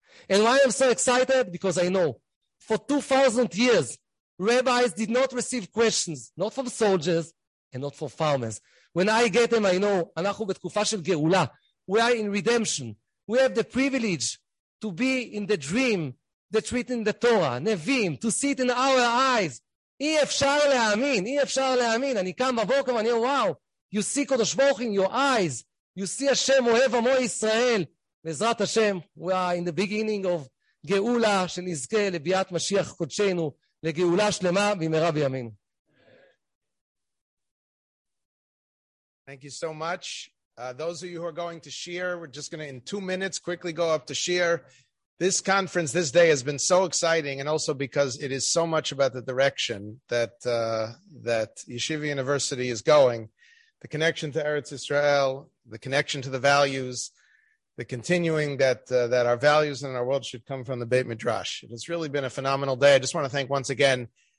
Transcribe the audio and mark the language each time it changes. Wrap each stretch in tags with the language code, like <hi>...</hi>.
<en>And why I'm so excited? Because I know for 2,000 years, rabbis did not receive questions, not from soldiers and not from farmers. When I get them, I know,</en> <he>אנחנו בתקופה של גאולה.</he> <en>We are in redemption. We have the privilege to be in the dream that's written in the Torah, Nevim, to see it in our eyes.</en> <he>אי אפשר להאמין, אי אפשר להאמין. אני קם בבוקר ואני אומר, וואו,</he> <en>you see קדוש ברוך in your eyes. You see</en> <he>השם אוהב עמו ישראל. בעזרת השם,</he> <en>we are in the beginning of</en> <he>גאולה, שנזכה לביאת משיח קודשנו, לגאולה שלמה במהרה בימינו.</he> <en>Thank you so much. Those of you who are going to Shear, we're just going to, in 2 minutes, quickly go up to Shear. This conference, this day, has been so exciting, and also because it is so much about the direction that Yeshiva University is going, the connection to Eretz Israel, the connection to the values, the continuing that our values and our world should come from the Beit Midrash. It has really been a phenomenal day. I just want to thank once again</en>